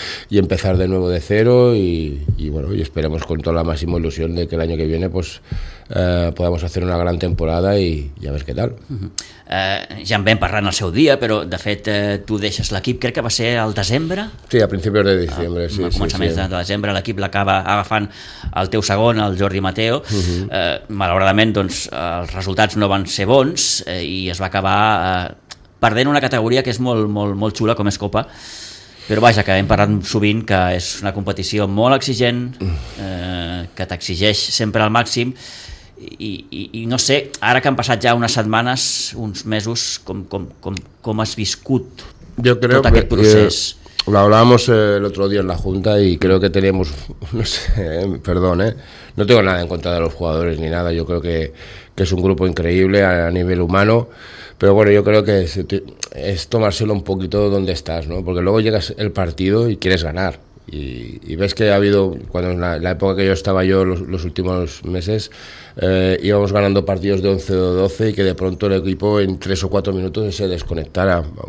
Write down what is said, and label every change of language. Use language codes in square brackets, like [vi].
[es] y empezar de nuevo de cero y bueno, y esperemos con toda la máxima ilusión de que el año que viene pues podamos hacer una gran temporada y a ver qué tal. [ca] Ja en vam parlar en el seu dia, però de fet tu deixes l'equip, crec que va ser al desembre? Sí, a principis de desembre. Sí, a començaments sí, sí. De desembre l'equip l'acaba agafant el teu segon, el Jordi Mateo. Malauradament doncs els resultats no van ser bons i es va acabar perdent una categoria que és molt, molt, molt xula com és Copa, però vaja, que hem parlat sovint que és una competició molt exigent, que t'exigeix sempre al màxim i no sé, ara que han passat ja unes setmanes, uns mesos, com has viscut tot aquest procés? [es] Lo hablábamos el otro día en la junta y creo que teníamos, no sé, perdón, no tengo nada en contra de los jugadores ni nada, yo creo que es un grupo increíble a nivel humano, pero bueno, yo creo que es tomárselo un poquito donde estás, ¿no? Porque luego llegas el partido y quieres ganar y ves que ha habido, cuando en la época que yo estaba yo los últimos meses, íbamos ganando partidos de 11 o 12 y que de pronto el equipo en 3 o 4 minutos se desconectara.